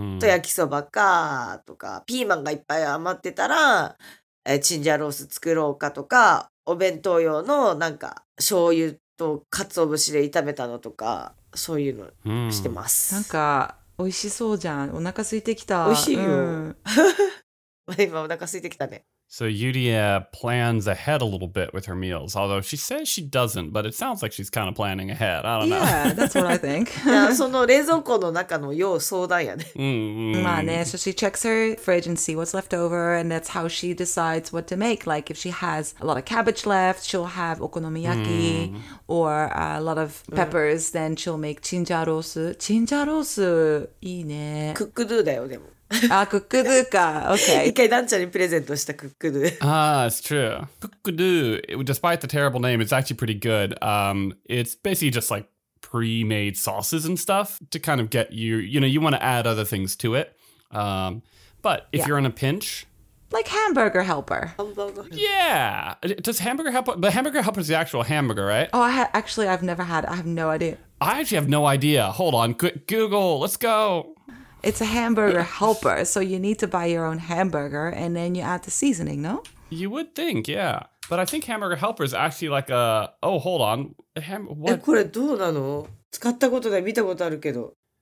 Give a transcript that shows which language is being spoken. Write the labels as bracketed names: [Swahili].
[Japanese] と焼きそばかとか、ピーマンがいっぱい余ってたら、チンジャーロース作ろうかとか、お弁当用のなんか醤油と鰹節で炒めたのとか、そういうのしてます。なんか美味しそうじゃん。お腹空いてきた。美味しいよ。今お腹空いてきたね。 [English] So Yuria plans ahead a little bit with her meals, although she says she doesn't, but it sounds like she's kind of planning ahead. I don't know. Yeah, that's what I think. [Japanese] その冷蔵庫の中の様相談やね。まあね、 [English] so she checks her fridge and see what's left over, and that's how she decides what to make. Like if she has a lot of cabbage left, she'll have okonomiyaki, or a lot of peppers, then she'll make chinjarosu. [Japanese] Chinjarosu, いいね。クックドゥだよ、でも。 [English] Ah, kukudu ka. Okay. [Japanese] 一回ダンちゃんにプレゼントした kukudu. [English] Ah, it's true. Kukudu, despite the terrible name, it's actually pretty good. It's basically just like pre-made sauces and stuff to kind of get you, you know, you want to add other things to it. But if you're in a pinch... Like Hamburger Helper. Yeah. Does Hamburger Helper... But Hamburger Helper is the actual hamburger, right? Oh, I've never had it. I have no idea. I actually have no idea. Hold on. Google. Let's go. It's a hamburger helper, so you need to buy your own hamburger, and then you add the seasoning, no? You would think, yeah. But I think hamburger helper is actually like a... Oh, hold on. What? [Japanese] これどうなの? 使ったことない、見たことあるけど。